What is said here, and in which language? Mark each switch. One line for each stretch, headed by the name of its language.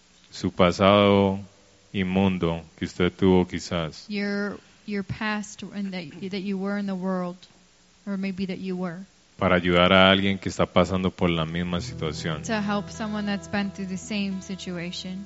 Spanish: Su pasado inmundo que usted tuvo quizás.
English: Your past and that you were in the world, or maybe that you were.
Spanish: Para ayudar a alguien que está pasando por la misma situación.
English: To help someone that's been through the same situation.